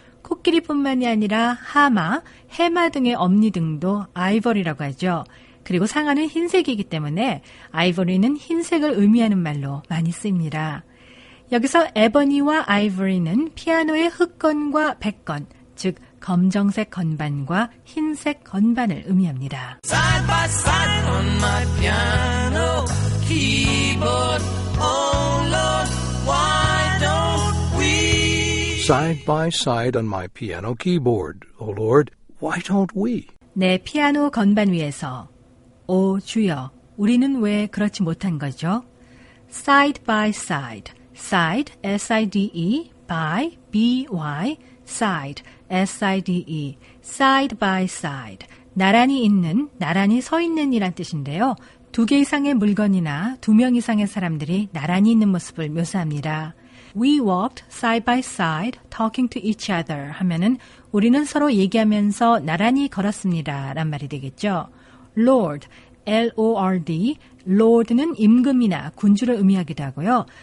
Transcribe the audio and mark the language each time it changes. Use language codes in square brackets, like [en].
[ko] 코끼리뿐만이 아니라 하마, 해마 등의 엄니 등도 Ivory라고 하죠. 그리고 상아는 흰색이기 때문에 아이보리는 흰색을 의미하는 말로 많이 쓰입니다. 여기서 에버니와 아이보리는 피아노의 흑건과 백건, 즉 검정색 건반과 흰색 건반을 의미합니다. [en] Side by side on my piano keyboard, oh Lord, why don't we? Side by side on my piano keyboard, oh Lord, why don't we? [ko] 내 피아노 건반 위에서 오 주여, 우리는 왜 그렇지 못한 거죠? Side by side, side, S-I-D-E, by, B-Y, side, S-I-D-E, side by side, 나란히 있는, 나란히 서 있는 이란 뜻인데요. 두 개 이상의 물건이나 두 명 이상의 사람들이 나란히 있는 모습을 묘사합니다. [en] We walked side by side, talking to each other [ko] 하면은 우리는 서로 얘기하면서 나란히 걸었습니다 란 말이 되겠죠. Lord, L-O-R-D, Lord는 임금이나 군주를 의미하기도 하고요.